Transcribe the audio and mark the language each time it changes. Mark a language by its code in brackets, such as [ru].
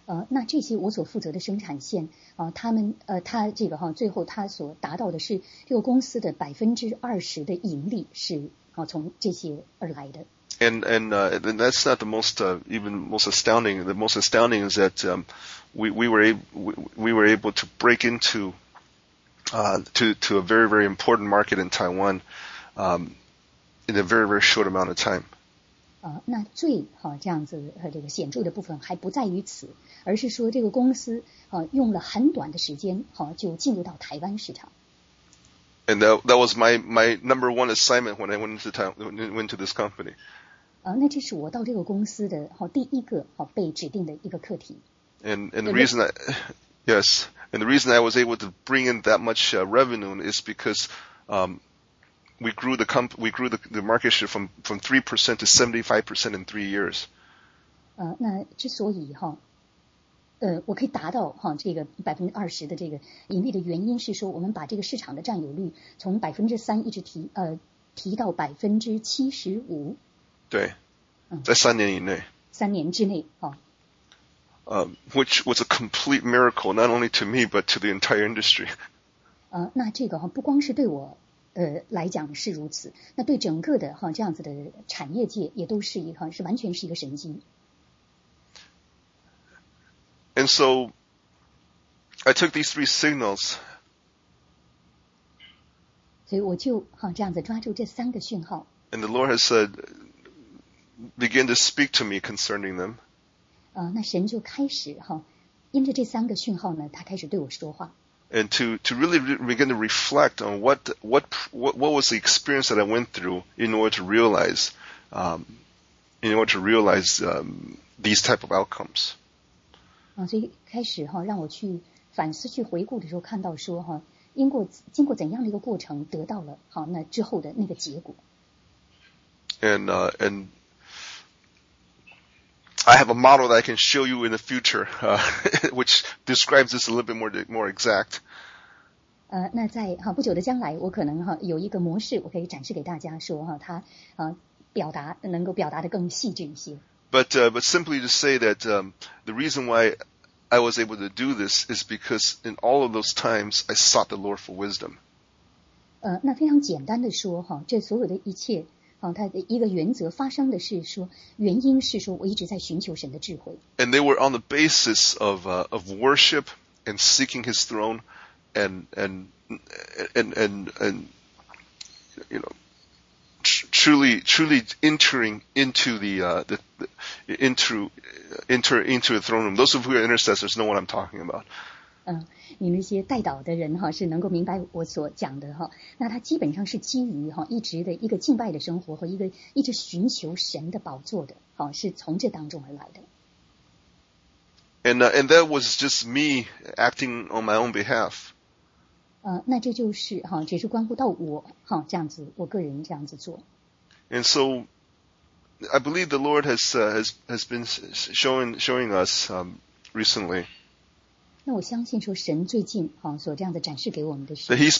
[zh] 那这些我所负责的生产线啊，他们他这个哈，最后他所达到的是这个公司的20%的盈利是啊从这些而来的。 [en] And that's not the most even most astounding. The most astounding is that we were able to break into to a very very important market in Taiwan in a very very short amount of time. [zh] 那最好、这样子和这个显著的部分还不在于此，而是说这个公司用了很短的时间就进入到台湾市场。 [en] And that was my number one assignment when I went to this company. [zh] 那这是我到这个公司的第一个被指定的一个课题。 [en] And the reason I was able to bring in that much revenue is because we grew the market share from 3% to 75% in 3 years. [zh] 那之所以我可以达到这个20%的这个盈利的原因是说，我们把这个市场的占有率从3%一直提到75%。对，在三年以内。三年之内， [en] Which was a complete miracle, not only to me but to the entire industry. [zh] 那这个不光是对我来讲是如此，那对整个的这样子的产业界也都是一个是完全是一个神经。 [en] And so, I took these three signals. [zh] 所以我就这样子抓住这三个讯号。 [en] And the Lord has said, begin to speak to me concerning them. [zh] 那神就开始因着这三个讯号呢，他开始对我说话。 [en] And to really begin to reflect on what was the experience that I went through in order to realize, these type of outcomes. [zh] 所以开始让我去反思去回顾的时候，看到说经过怎样的一个过程，得到了那之后的那个结果。 [en] And I have a model that I can show you in the future, which describes this a little bit more exact. [zh] 那在不久的将来，我可能有一个模式，我可以展示给大家说它表达能够表达的更细致一些。 [en] But simply to say that the reason why I was able to do this is because in all of those times I sought the Lord for wisdom. [zh] 那非常简单的说这所有的一切。它的一个原则发生的是说，原因是说我一直在寻求神的智慧。 [en] And they were on the basis of worship and seeking His throne, truly entering into the throne room. Those of who are intercessors know what I'm talking about. [zh] 你那些代祷的人是能够明白我所讲的那他基本上是基于一直的一个敬拜的生活和一个一直寻求神的宝座的是从这当中而来的。 [en] And that was just me acting on my own behalf. [zh] 那这就是只是关乎到我这样子我个人这样子做。 [en] And so I believe the Lord has been showing us recently. [zh] 那我相信说神最近所这样的展示给我们的是